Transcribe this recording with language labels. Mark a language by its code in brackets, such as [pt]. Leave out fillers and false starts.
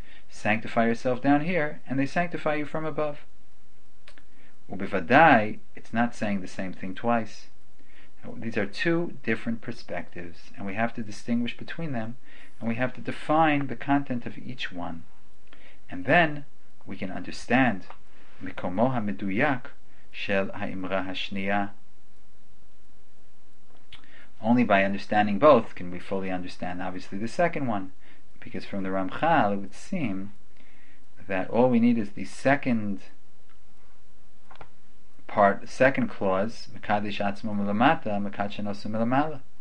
[en] Sanctify yourself down here, and they sanctify you from above. Ubevadai, it's not saying the same thing twice. These are two different perspectives, and we have to distinguish between them, and we have to define the content of each one. And then we can understand [he] מקומו המדויק של האמרה השנייה. [en] Only by understanding both can we fully understand, obviously, the second one. Because from the Ramchal, it would seem that all we need is the second part, second clause, [he] Mekadesh Atzmo Milamata, Mekadshenosu Milamala.